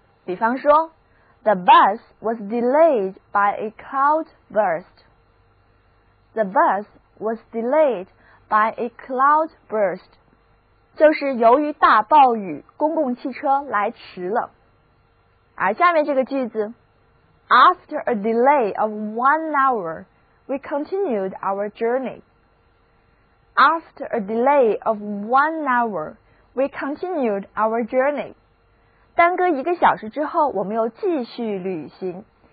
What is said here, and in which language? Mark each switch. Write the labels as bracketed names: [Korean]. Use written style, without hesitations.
[Chinese] 比方说 [English] The bus was delayed by a cloud burst. The bus was delayed by a cloud burst. [Chinese] 就是由于大暴雨公共汽车来迟了。而下面这个句子 [English] After a delay of 1 hour,We continued our journey. After a delay of 1 hour, we continued our journey. [Chinese] 耽搁一个小时之后我们又继续旅行。